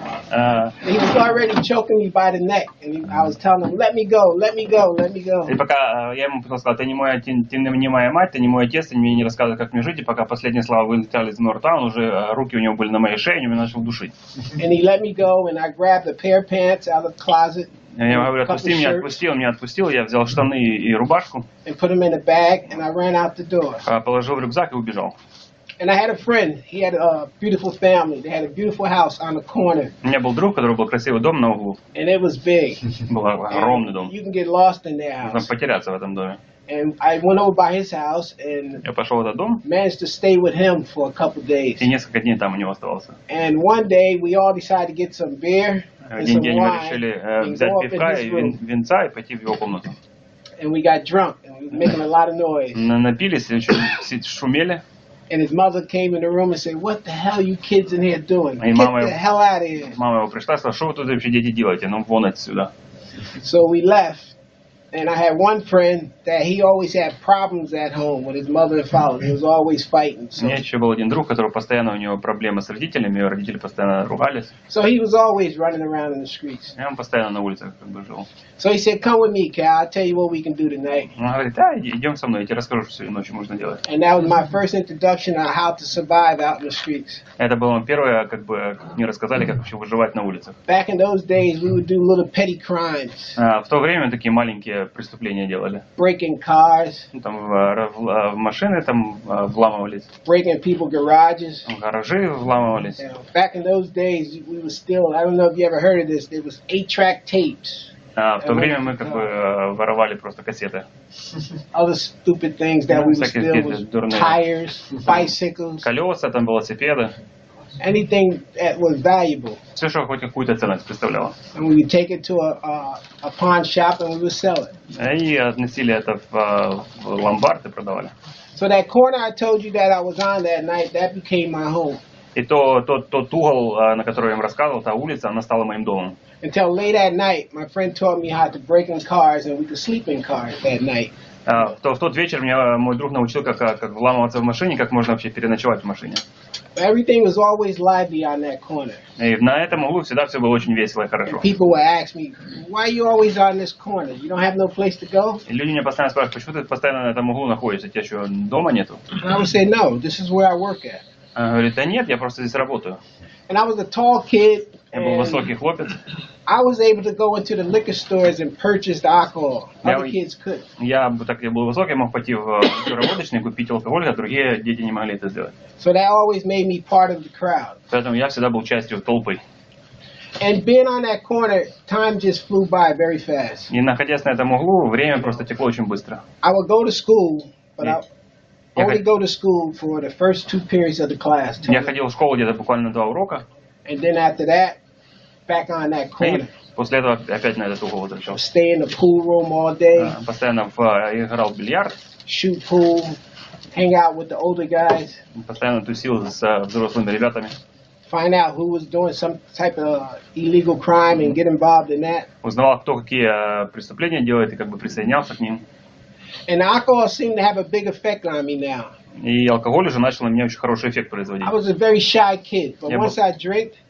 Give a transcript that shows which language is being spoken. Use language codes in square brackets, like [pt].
[en] And he was already choking me by the neck, and I was telling him, "Let me go, let me go, let me go." [ru] И пока я ему потом сказал, ты не моя, ты не моя мать, ты не мой отец, ты мне не рассказывай, как мне жить, и пока последние слова вылетали из рта, он уже руки у него были на моей шее, и он меня начал душить. [en] And he let me go, and I grabbed a pair of pants out of the closet. [ru] Я говорю, отпусти меня, отпустил, меня отпустил, я взял штаны и рубашку. [en] And put them in a bag, and I ran out the door. [ru] Положил в рюкзак и убежал. [en] And I had a friend. He had a beautiful family. They had a beautiful house on the corner. [ru] У меня был друг, у которого был красивый дом на углу. [en] And it was big. [ru] Был огромный дом. [en] You can get lost in that house. [ru] Можно потеряться в этом доме. [en] And I went over by his house and [ru] я пошел в этот дом. [en] Managed to stay with him for a couple days. [ru] И несколько дней там у него оставался. [en] And one day we all decided to get some beer and some wine. [ru] Мы решили взять пивка и винца и пойти в его комнату. [en] And we got drunk and we were making a lot of noise. [ru] Напились и очень шумели. [en] And his mother came in the room and said, "What the hell are you kids in here doing? Get the hell out of here!" [ru] Мама его пришла, сказала, что вы тут вообще дети делаете? Ну вон отсюда. [en] So we left, and I had one friend that he always had problems at home with his mother and father. He was always fighting. [ru] У меня еще был один друг, который постоянно у него проблемы с родителями, его родители постоянно ругались. [en] So he was always running around in the streets. [ru] И он постоянно на улицах как бы жил. [en] So he said, "Come with me, Cal. I'll tell you what we can do tonight." [ru] Он говорит, да, идем со мной, я тебе расскажу, что сегодня ночью можно делать. [en] And that was my first introduction on how to survive out in the streets. [ru] Это было первое, как бы мне рассказали, как вообще выживать на улицах. [en] Back in those days, we would do little petty crimes. [ru] В то время такие маленькие преступления делали. [en] Breaking cars. [ru] Там в машины там вламывались. [en] Breaking people garages. [ru] В гаражи вламывались. [en] You know, back in those days, we were still. I don't know if you ever heard of this. There was 8-track tapes. [ru] В то время мы как бы воровали просто кассеты. [en] Other stupid things that we were stealing was tires, bicycles. [ru] Колеса, там велосипеды. [en] Anything that was valuable. [ru] Все, что хоть какую-то ценность представляло. [en] And we would take it to a pawn shop and we would sell it. [ru] И относили это в ломбард и продавали. [en] So that corner I told you that I was on that night, that became my home. [ru] И тот угол, на который я им рассказывал, та улица, она стала моим домом. [en] Until late at night, my friend taught me how to break in cars and we could sleep in cars that night. [ru] В тот вечер меня мой друг научил, как вламываться в машине, как можно вообще переночевать в машине. [en] Everything was always lively on that corner. [ru] И на этом углу всегда все было очень весело и хорошо. [en] And people would ask me, "Why are you always on this corner? You don't have no place to go?" [ru] И люди меня постоянно спрашивают, почему ты постоянно на этом углу находишься? У тебя еще дома нету? [en] And I would say, "No, this is where I work at." [ru] Говорит, да нет, я просто здесь работаю. [en] And I was a tall kid. [ru] Я был высокий хлопец. [en] I was able to go into the liquor stores and purchase the alcohol. Other kids couldn't. [ru] Я был высокий, мог пойти в водочный купить алкоголь, а другие дети не могли это сделать. [en] So that always made me part of the crowd. [ru] Поэтому я всегда был частью толпы. [en] And being on that corner, time just flew by very fast. [ru] И находясь на этом углу, время просто текло очень быстро. [en] I would go to school, but I only go to school for the first two periods of the class. [ru] Я ходил в школу где-то буквально два урока. [en] And then after that, back on that corner. [ru] После этого опять на этот угол возвращался. [en] Stay in the pool room all day. [ru] Постоянно играл в бильярд. [en] Shoot pool, hang out with the older guys. [ru] Постоянно тусил с взрослыми ребятами. [en] Find out who was doing some type of illegal crime and get involved in that. [ru] Узнавал, кто какие преступления делает и как бы присоединялся к ним. [en] And alcohol seemed to have a big effect on me now. [ru] И алкоголь уже начал на меня очень хороший эффект производить. [en] I was a very shy kid, but once I drank.